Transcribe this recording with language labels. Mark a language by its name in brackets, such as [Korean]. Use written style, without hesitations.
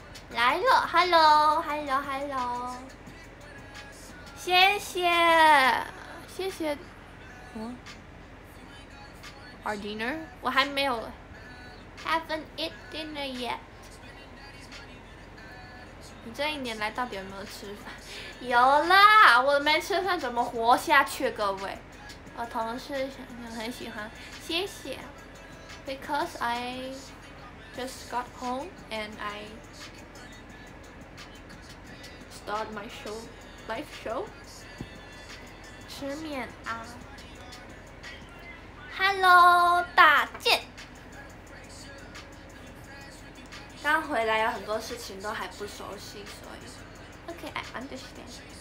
[Chinese] 来了 [English] ，Hello，Hello，Hello， [Chinese] 谢谢，谢谢， [English] Our dinner， [Chinese] 我还没有 [English] ，Haven't eat dinner yet。 [Chinese] 你这一年来到底有没有吃饭？有啦，我没吃饭怎么活下去？各位，我同事很喜欢，谢谢。 [English] Because I just got home and I start my show, live show. [Chinese] 吃面啊 ！Hello， 大健，刚回来有很多事情都还不熟悉，所以 [English] OK I understand.